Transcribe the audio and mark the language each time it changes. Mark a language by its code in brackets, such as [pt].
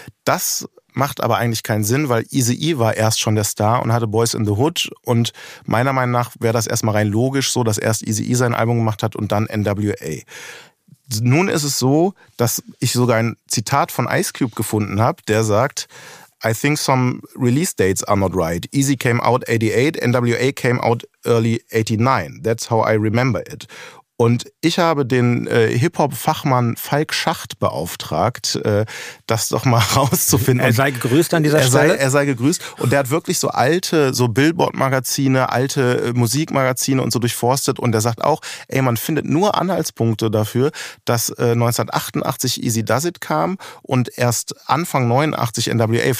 [de] Das macht aber eigentlich keinen Sinn, weil Eazy-E war erst schon der Star und hatte Boys in the Hood und meiner Meinung nach wäre das erstmal rein logisch so, dass erst Eazy-E sein Album gemacht hat und dann N.W.A. Nun ist es so, dass ich sogar ein Zitat von Ice Cube gefunden habe, der sagt, [en] I think some release dates are not right. Eazy came out 88, NWA came out early 89. That's how I remember it. [de] Und ich habe den Hip-Hop-Fachmann Falk Schacht beauftragt, das doch mal rauszufinden. Er sei gegrüßt an dieser Stelle. Er sei gegrüßt. Und der hat wirklich so alte, so Billboard-Magazine, alte Musikmagazine und so durchforstet. Und der sagt auch, ey, man findet nur Anhaltspunkte dafür, dass 1988 Eazy Does It kam und erst Anfang 89 NWA.